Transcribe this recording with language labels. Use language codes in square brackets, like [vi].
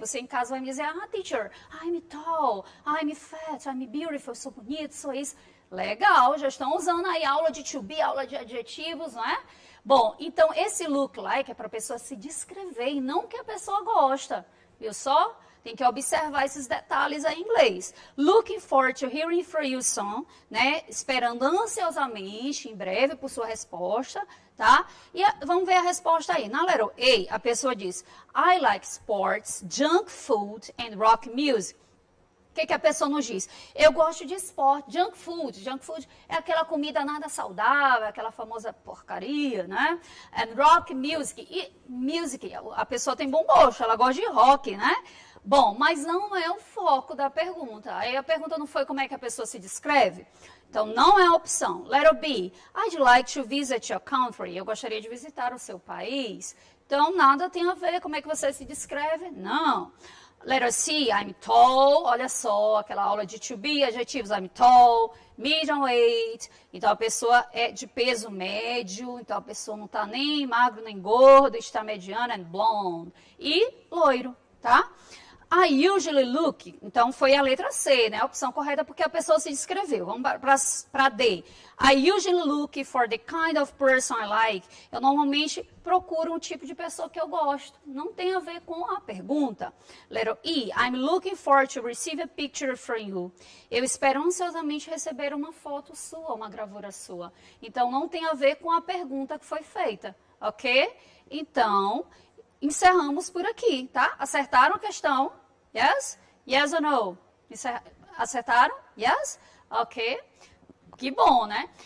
[pt] Você em casa vai me dizer, ah, [en] teacher, I'm tall, I'm fat, I'm beautiful. [pt] Eu sou bonito, sou isso. Legal, já estão usando aí aula de to be, aula de adjetivos, não é? Bom, então esse look like é para a pessoa se descrever e não que a pessoa gosta. Viu só? Tem que observar esses detalhes aí em inglês. [en] Looking forward to hearing from you soon, né? [pt] Esperando ansiosamente, em breve, por sua resposta, tá? E vamos ver a resposta aí. Na letter A, a pessoa diz, [en] I like sports, junk food and rock music. [pt] O que, que a pessoa nos diz? Eu gosto de esporte, junk food. Junk food é aquela comida nada saudável, aquela famosa porcaria, né? [en] And rock music. [pt] E music, a pessoa tem bom gosto, ela gosta de rock, né? Bom, mas não é o foco da pergunta. Aí a pergunta não foi como é que a pessoa se descreve? Então, não é a opção. [en] Letter B. I'd like to visit your country. [pt] Eu gostaria de visitar o seu país. Então, nada tem a ver. Como é que você se descreve? Não. [en] Let us see, I'm tall. [pt] Olha só, aquela aula de to be, adjetivos. [en] I'm tall, medium weight. [pt] Então, a pessoa é de peso médio. Então, a pessoa não está nem magro, nem gordo. Está mediana, [en] and blonde. [pt] E loiro, tá? [en] I usually look. [pt] Então, foi a letra C, né? A opção correta porque a pessoa se descreveu. Vamos para D. [en] I usually look for the kind of person I like. [pt] Eu normalmente procuro um tipo de pessoa que eu gosto. Não tem a ver com a pergunta. [en] Letter E. I'm looking forward to receive a picture from you. [pt] Eu espero ansiosamente receber uma foto sua, uma gravura sua. Então, não tem a ver com a pergunta que foi feita. Ok? Então, encerramos por aqui, tá? Acertaram a questão? Yes? [en] Yes or no? [pt] Acertaram? Yes? Ok. Que bom, né?